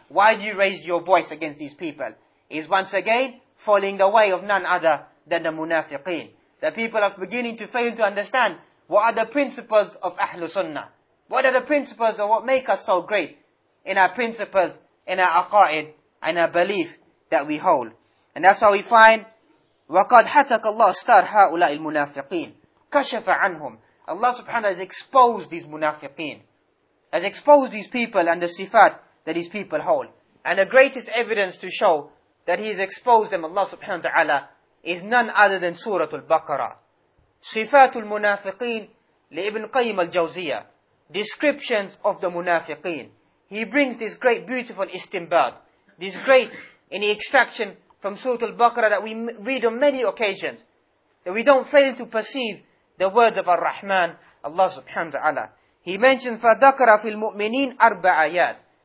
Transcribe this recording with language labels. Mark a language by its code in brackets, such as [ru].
[en] Why do you raise your voice against these people? It's once again following the way of none other than the munafiqeen. The people are beginning to fail to understand what are the principles of Ahlul Sunnah. What are the principles of what make us so great in our principles, in our aqa'id, and our belief that we hold? And that's how we find, [ar] وَقَدْ حَتَكَ اللَّهُ اسْتَرْ هَؤُلَاءِ الْمُنَافِقِينَ كَشَفَ عَنْهُمْ. [en] Allah subhanahu has exposed these munafiqeen, has exposed these people and the sifat that these people hold. And the greatest evidence to show that He has exposed them, Allah subhanahu wa ta'ala, is none other than Surah Al-Baqarah. Sifatul Munafiqeen li Ibn Qayyim al-Jawziyah. Descriptions of the munafiqeen. He brings this great beautiful istinbat, this great in the extraction from Surah Al-Baqarah that we read on many occasions, that we don't fail to perceive the words of Ar-Rahman, Allah subhanahu wa ta'ala. He mentions, [ar] فَذَكَرَ فِي الْمُؤْمِنِينَ أَرْبَ آيَاتٍ.